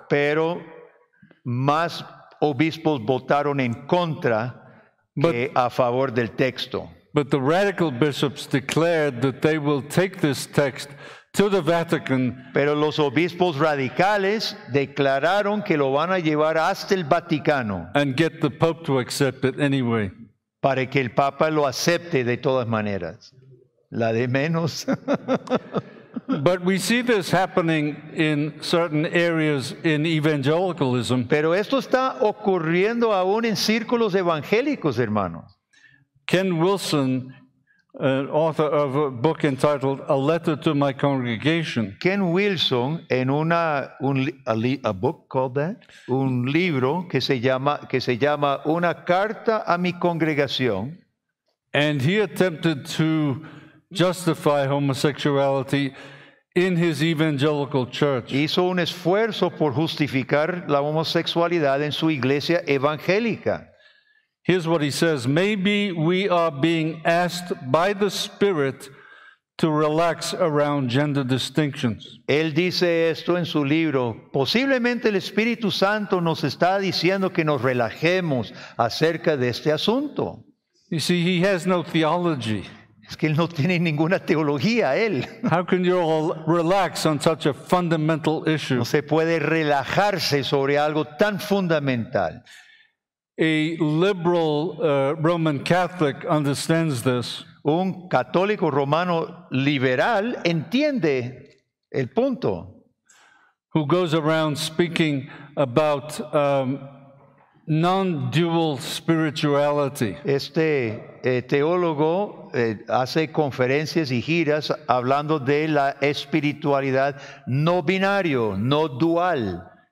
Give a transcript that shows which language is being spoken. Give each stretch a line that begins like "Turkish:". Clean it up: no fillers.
Spanish: Pero más obispos votaron en contra que a favor del texto.
English: But the radical bishops declared that they will take this text to the Vatican.
Spanish: Pero los obispos radicales declararon que lo van a llevar hasta el Vaticano.
English: And get the Pope to accept it anyway.
Spanish: Para que el Papa lo acepte de todas maneras. La de menos.
English: But we see this happening in certain areas in evangelicalism.
Spanish: Pero esto está ocurriendo aún en círculos evangélicos, hermanos.
English: Ken Wilson, author of a book entitled A Letter to My Congregation. Ken Wilson, en a book called that?
Spanish: Un libro que se llama Una Carta a Mi Congregación.
English: And he attempted to justify homosexuality in his evangelical church.
Spanish: Hizo un esfuerzo por justificar la homosexualidad en su iglesia evangélica.
English: Here's what he says: maybe we are being asked by the Spirit to relax around gender distinctions.
Spanish: Él dice esto en su libro. Posiblemente el Espíritu Santo nos está diciendo que nos relajemos acerca de este asunto.
English: You see, he has no theology.
Spanish: Es que él no tiene ninguna teología, él.
English: How can you relax on such a fundamental issue?
Spanish: No se puede relajarse sobre algo tan fundamental.
English: A liberal Roman Catholic understands this.
Spanish: Un católico romano liberal entiende el punto.
English: Who goes around speaking about non-dual spirituality.
Spanish: Este teólogo hace conferencias y giras hablando de la espiritualidad no binario, no dual.